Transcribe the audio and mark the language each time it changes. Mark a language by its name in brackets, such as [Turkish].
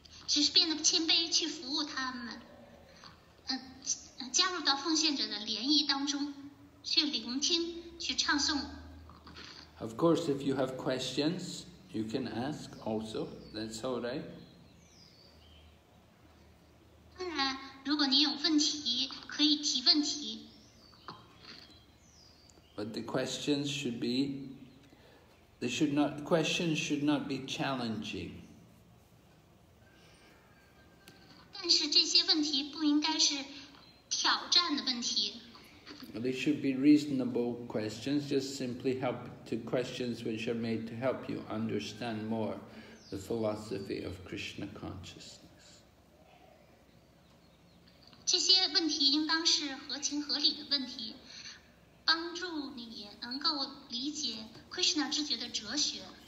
[English] Of course, if you have questions, you can ask also, that's all right. [Chinese] 当然，如果你有问题，可以提问题。 [English] But the questions should be, they should not, questions should not be challenging. [Chinese] 但是这些问题不应该是挑战的问题。 [English] They should be reasonable questions, just simply help to questions which are made to help you understand more the philosophy of Krishna consciousness. [Chinese] 这些问题应当是合情合理的问题，帮助你能够理解 Krishna 之觉的哲学。